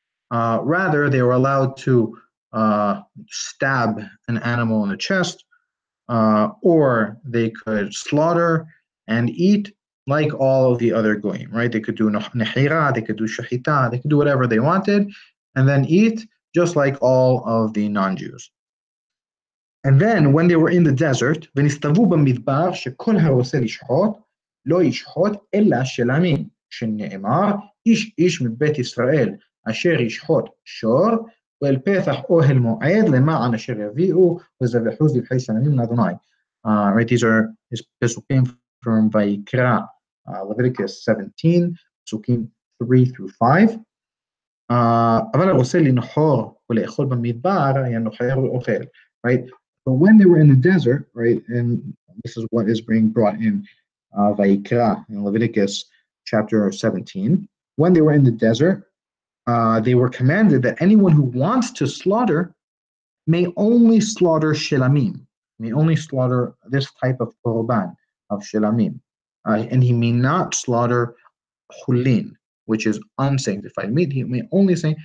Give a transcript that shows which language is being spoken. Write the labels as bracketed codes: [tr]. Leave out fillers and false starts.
[en] Rather, they were allowed to stab an animal in the chest, or they could slaughter and eat like all of the other goyim, right? They could do nehira, they could do shahita, they could do whatever they wanted, and then eat just like all of the non-Jews. [he] And then, when they were in the desert, v'nistavu b'midbar shekol ha'oseh lishchot, לא ישחוט אלא שלמים שנאמר איש איש מבית ישראל אשר ישחוט שור ואל פתח אוהל מועד למען אשר יביאו וזבחו זבחי שלמים לאדוני. [en] Right, these are his pesukim from Vayikra, Leviticus 17, pesukim 3 through 5. [he] אבל הרוסה לנחור ולאכול במדבר היה נוחר ואוכל, right? [en] But when they were in the desert, right, and this is what is being brought in Vayikra, in Leviticus chapter 17, when they were in the desert, they were commanded that anyone who wants to slaughter may only slaughter shelamim, may only slaughter this type of korban, of shelamim, and he may not slaughter hulin, which is unsanctified meat. He may only